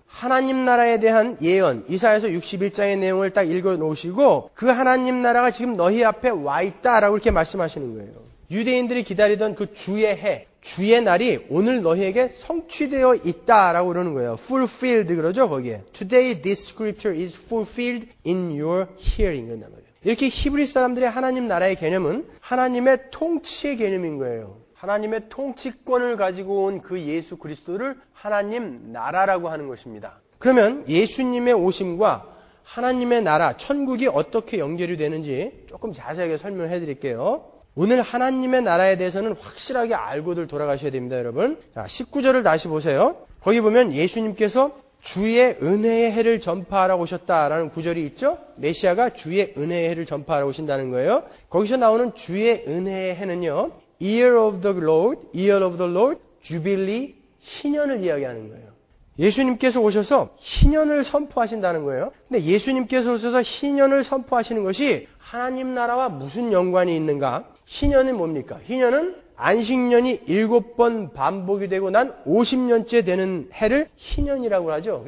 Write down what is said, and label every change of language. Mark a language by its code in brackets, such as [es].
[ko] 하나님 나라에 대한 예언, 이사야서 61장의 내용을 딱 읽어놓으시고 그 하나님 나라가 지금 너희 앞에 와있다라고 이렇게 말씀하시는 거예요. 유대인들이 기다리던 그 주의 해, 주의 날이 오늘 너희에게 성취되어 있다라고 그러는 거예요. Fulfilled 그러죠, 거기에. [en] Today this scripture is fulfilled in your hearing [ko] 그런단 말이에요. 이렇게 히브리 사람들의 하나님 나라의 개념은 하나님의 통치의 개념인 거예요. 하나님의 통치권을 가지고 온 그 예수 그리스도를 하나님 나라라고 하는 것입니다. 그러면 예수님의 오심과 하나님의 나라, 천국이 어떻게 연결이 되는지 조금 자세하게 설명해 드릴게요. 오늘 하나님의 나라에 대해서는 확실하게 알고들 돌아가셔야 됩니다, 여러분. 자, 19절을 다시 보세요. 거기 보면 예수님께서 주의 은혜의 해를 전파하라고 오셨다라는 구절이 있죠? 메시아가 주의 은혜의 해를 전파하라고 오신다는 거예요. 거기서 나오는 주의 은혜의 해는요, [en] Year of the Lord, Year of the Lord, Jubilee, [ko] 희년을 이야기하는 거예요. 예수님께서 오셔서 희년을 선포하신다는 거예요. 근데 예수님께서 오셔서 희년을 선포하시는 것이 하나님 나라와 무슨 연관이 있는가? 희년은 뭡니까? 희년은 안식년이 7번 반복이 되고 난 50년째 되는 해를 희년이라고 하죠.